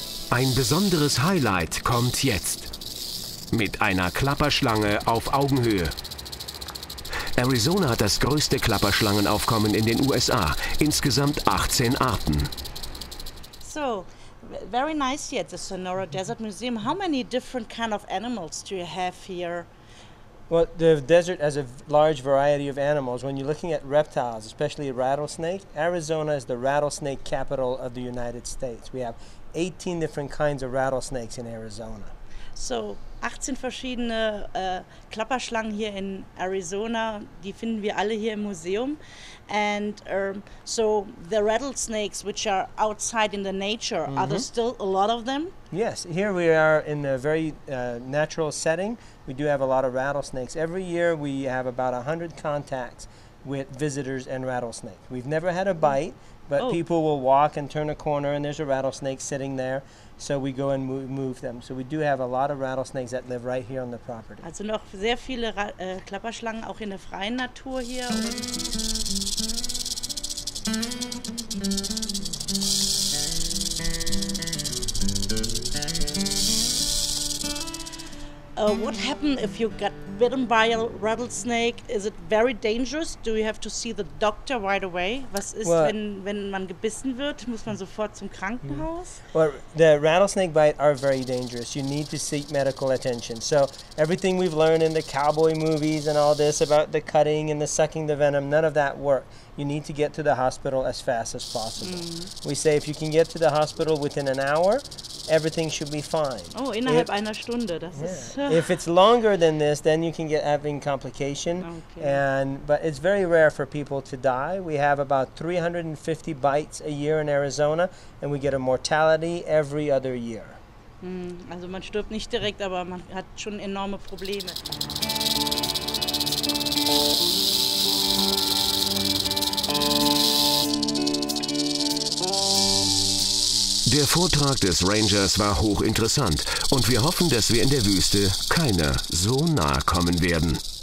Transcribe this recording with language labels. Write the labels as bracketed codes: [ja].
[de] Ein besonderes Highlight kommt jetzt. Mit einer Klapperschlange auf Augenhöhe. Arizona hat das größte Klapperschlangenaufkommen in den USA. Insgesamt 18 Arten. [en] So, very nice here at the Sonora Desert Museum. How many different kind of animals do you have here? Well, the desert has a large variety of animals. When you're looking at reptiles, especially a rattlesnake, Arizona is the rattlesnake capital of the United States. We have 18 different kinds of rattlesnakes in Arizona. [de] So, 18 verschiedene Klapperschlangen hier in Arizona, die finden wir alle hier im Museum. [en] And so, the rattlesnakes which are outside in the nature, mm-hmm. are there still a lot of them? Yes, here we are in a very natural setting. We do have a lot of rattlesnakes. Every year we have about 100 contacts with visitors and rattlesnakes. We've never had a bite. Mm-hmm. But people will walk and turn a corner and there's a rattlesnake sitting there. So we go and move them. So we do have a lot of rattlesnakes that live right here on the property. [de] Also noch sehr viele Klapperschlangen auch in der freien Natur hier. [en] What happened if you got bitten by a rattlesnake? Is it very dangerous? Do you have to see the doctor right away? [de] Was ist, wenn man gebissen wird? Muss man sofort zum Krankenhaus? [en] Well, the rattlesnake bite are very dangerous. You need to seek medical attention. So everything we've learned in the cowboy movies and all this about the cutting and the sucking the venom, none of that worked. You need to get to the hospital as fast as possible. Mm. We say if you can get to the hospital within an hour, everything should be fine. [de] Oh, innerhalb einer Stunde, das [en] yeah. [de] ist... [en] If it's longer than this, then you can get having complication. Okay. But it's very rare for people to die. We have about 350 bites a year in Arizona, and we get a mortality every other year. Mm. [de] Also man stirbt nicht direkt, aber man hat schon enorme Probleme. Der Vortrag des Rangers war hochinteressant und wir hoffen, dass wir in der Wüste keiner so nahe kommen werden.